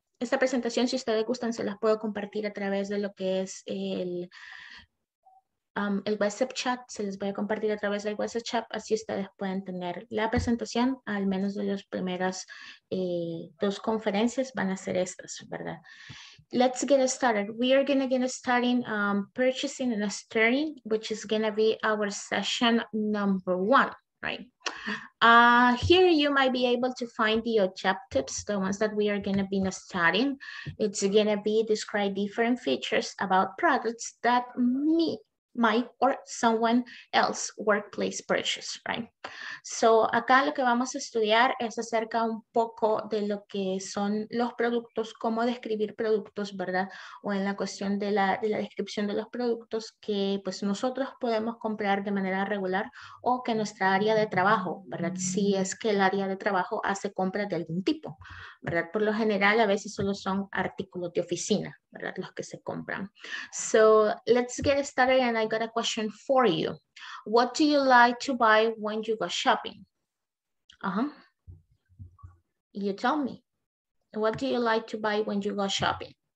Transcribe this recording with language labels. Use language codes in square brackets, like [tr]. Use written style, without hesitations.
[es] Esta presentación, si ustedes gustan, se las puedo compartir a través de lo que es el WhatsApp chat. Se les voy a compartir a través del WhatsApp chat. Así ustedes pueden tener la presentación, al menos de las primeras dos conferencias van a ser estas, ¿verdad? [en] Let's get started. We are going to get starting purchasing and steering, which is going to be our session number one. Right. Here you might be able to find the objectives, the ones that we are going to be studying. It's going to be describe different features about products that me, my, or someone else workplace purchase, right? [es] So acá lo que vamos a estudiar es acerca un poco de lo que son los productos, cómo describir productos, ¿verdad? O en la cuestión de la descripción de los productos que pues nosotros podemos comprar de manera regular o que nuestra área de trabajo, ¿verdad? Si es que el área de trabajo hace compras de algún tipo, ¿verdad? Por lo general a veces solo son artículos de oficina, ¿verdad? Los que se compran. [en] So let's get started and I got a question for you. What do you like to buy when you go shopping? You tell me. What do you like to buy when you go shopping?